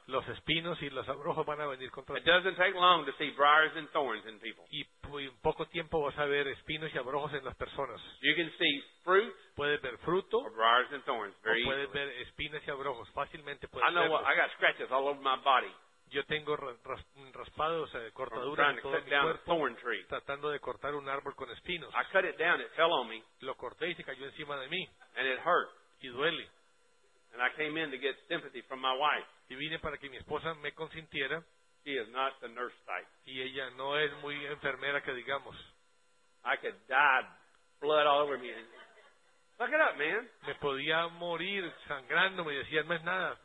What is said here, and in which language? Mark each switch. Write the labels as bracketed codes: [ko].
[es] Los espinos y los abrojos van a venir contra ti. [en] It doesn't take long to see briars and thorns in people. [es] Y en poco tiempo vas a ver espinos y abrojos en las personas. [en] You can see fruit. [es] Puedes ver fruto. [en] Or briars and thorns very [es] o puedes [en] easily. [es] Ver espinas y abrojos. Fácilmente puedes verlo. [en] I know what, I got scratches all over my body. [es] Yo tengo raspados, cortaduras en todo mi cuerpo, tratando de cortar un árbol con espinos. [en] I cut it down, it fell on me. [es] Lo corté y se cayó encima de mí. [en] And it hurt. [es] Y duele. [en] And I came in to get sympathy from my wife. [es] Y vine para que mi esposa me consintiera. [en] She is not the nurse type. [es] Y ella no es muy enfermera que digamos. [en] I could die, blood all over me. Look it up, man. [es] Me podía morir sangrando, me decía, no es nada.